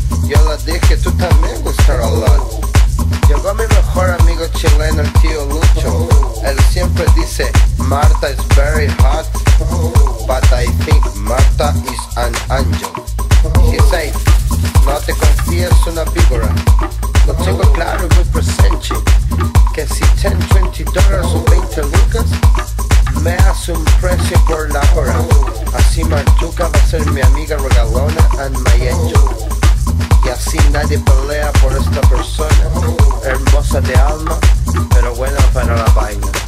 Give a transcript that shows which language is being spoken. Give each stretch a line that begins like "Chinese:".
Spanish: Yo le dije, tú también gustas a lot. Llegó mi mejor amigo chileno, el tío Lucho. Él siempre dice,
English: Marta is very hot, but I think Marta is an angel. He say,
Spanish: no te confíes una víbora. Lo tengo claro, muy presente, que si 10, 20 dólares o 20 lucas, me hace un precio por la hora. Así Martuca va a ser mi amiga regalona
English: and my angel.
Spanish: Y así nadie pelea por esta persona, hermosa de alma, pero buena para la vaina.